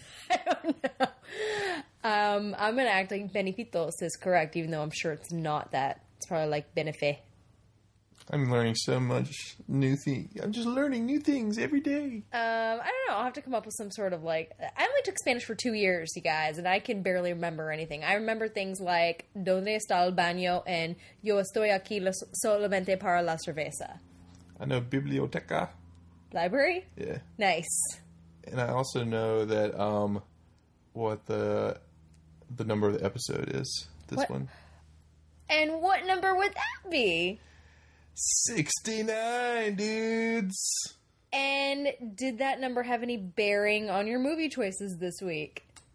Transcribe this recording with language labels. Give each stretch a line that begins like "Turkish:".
English: I don't know. I'm going to act like Benefitos is correct, even though I'm sure it's not that. It's probably like Benefe. I'm learning so much new things. I'm just learning new things every day. I don't know. I'll have to come up with some sort of like... I only took Spanish for 2 years, you guys, and I can barely remember anything. I remember things like,
Spanish: ¿Dónde está el baño?
English: And
Spanish: yo estoy aquí solamente para la cerveza.
English: I know biblioteca. Library? Yeah. Nice. And I also know that, what the number of the episode is, this one. And what number would that be? 69, dudes! And did that number have any bearing on your movie choices this week?